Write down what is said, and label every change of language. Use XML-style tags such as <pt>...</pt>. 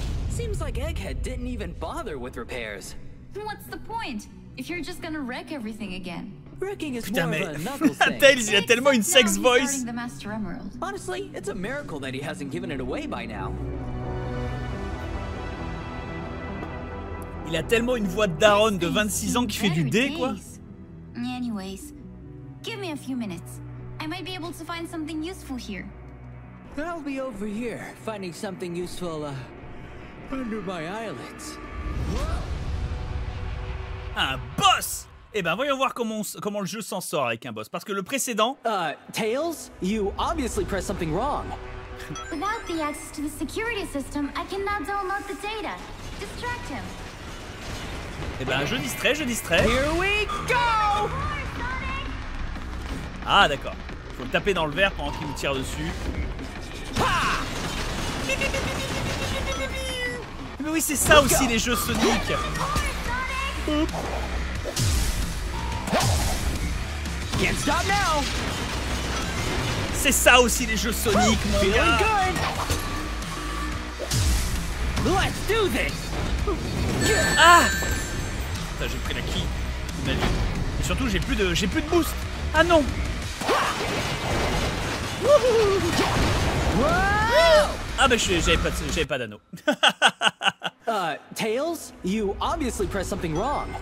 <en>Seems like Egghead didn't even bother with repairs. What's the point if you're just gonna wreck everything again?</en> <fr>Putain, mais Tails, il a tellement une</fr> <en>sex voice. Honestly, it's a miracle that he hasn't given it away by now.</en> <fr>Il a tellement une voix de daronne de 26 ans qui fait du dé, quoi.</fr> <en>Anyways, give me a few minutes. I might be able to find something useful here. I'll be over here finding something useful under my eyelids.</en> <fr>Un boss. Eh ben, voyons voir comment le jeu s'en sort avec un boss. Parce que le précédent...</fr> <en>Tails, you obviously pressed something wrong. Without the access to the security system, I cannot download the data. Distract him.</en> <fr>Eh ben, je distrais.</fr> <en>Here we go!</en> <fr>Ah, d'accord. Faut le taper dans le verre pendant qu'il me tire dessus. Mais oui, c'est ça aussi, les jeux Sonic.</fr> <en>Can't stop now.</en> <fr>C'est ça aussi les jeux Sonic, mon gars.</fr> <en>Feeling good. Let's do this.</en> <fr>Ah. Putain, j'ai pris la key. Imagine. Et surtout, j'ai plus de boost. Ah non. Ah ben, j'avais pas d'anneau.</fr> <en>Tails, you obviously pressed something wrong.</en>